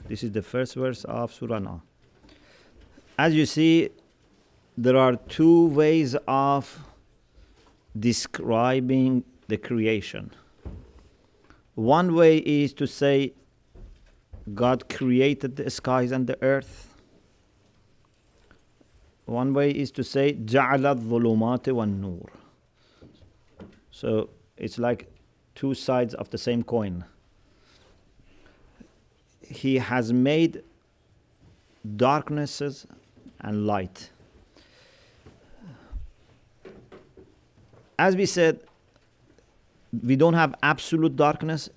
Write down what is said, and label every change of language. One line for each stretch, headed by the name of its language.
English: This is the first verse of Surah Nah. As you see, there are two ways of describing the creation. One way is to say God created the skies and the earth. One way is to say
Arabic: جعل الظلمات والنور.
English: So it's like two sides of the same coin. He has made darknesses and light. As we said, we don't have absolute darkness.